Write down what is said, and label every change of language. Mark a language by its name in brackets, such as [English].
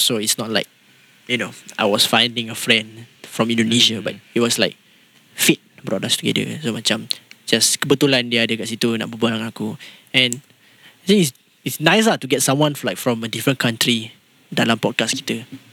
[English] So it's not like, you know, I was finding a friend from Indonesia, but it was like fit brought us together. [Malay] So macam just kebetulan dia ada kat situ nak berbual dengan aku. [English] And I think it's nice lah to get someone like from a different country [Malay] dalam podcast kita.